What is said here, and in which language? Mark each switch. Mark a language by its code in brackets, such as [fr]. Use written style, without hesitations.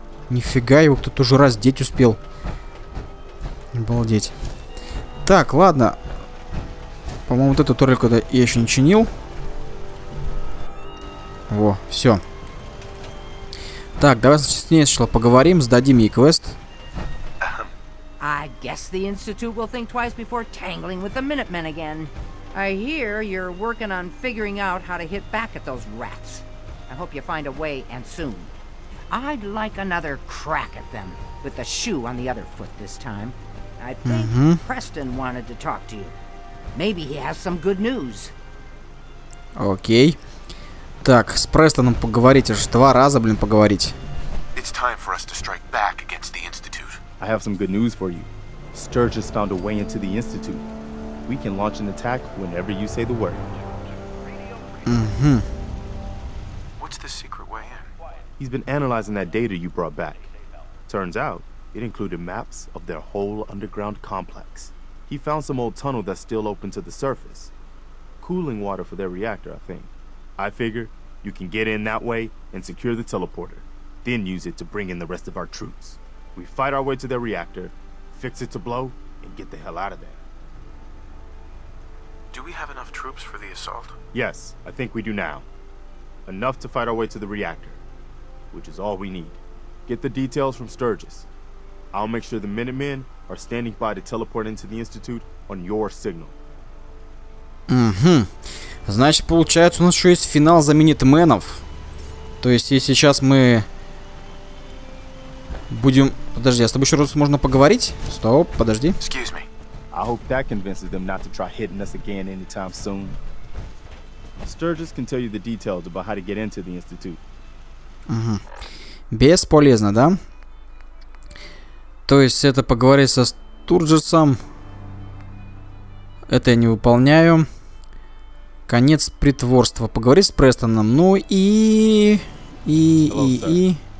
[ru] Нифига, его кто-то уже раздеть успел. Обалдеть. Так, ладно. По-моему, вот эту турельку-то я еще не чинил. Во, все. Так, давай, значит, с ней сначала поговорим, сдадим ей квест. [en] I guess the Institute will think twice before tangling with the Minutemen again. I hear you're working on figuring out how to hit back at those rats. I hope you find a way, and soon. I'd like another crack at them, with the shoe on the other foot this time. I think Preston wanted to talk to you. Maybe he has some good news. [ru] Окей. Так, с Престоном поговорить, аж два раза, блин, поговорить. [en] It's time for us to strike back against the Institute. I have some good news for you. Sturgis found a way into the Institute. We can launch an attack whenever you say the word. Mm-hmm. What's the secret way in? He's been analyzing that data you brought back. Turns out, it included maps of their whole underground complex. He found some old tunnel that's still open to the surface. Cooling water for their reactor, I think. I figure you can get in that way and secure the teleporter, then use it to bring in the rest of our troops. We fight our way to their reactor, fix it to blow, and get the hell out of there. Do we have enough troops for the assault? Yes, I think we do now. Enough to fight our way to the reactor, which is all we need. Get the details from Sturgis. I'll make sure the Minutemen are standing by to teleport into the Institute on your signal. Mm-hmm. [ru] Значит, получается, у нас еще есть финал за Минутеменов. То есть, если сейчас мы... Будем... Подожди, а с тобой еще раз можно поговорить? Стоп, подожди. [en] Excuse me. I hope that convinces them not to try hitting us again anytime soon. Sturgis can tell you the details about how to get into the Institute. [ru] Угу. Бесполезно, да? То есть это поговорить со Стурджисом. Это я не выполняю. Конец притворства. Поговорить с Престоном. Ну и... [en] Hello,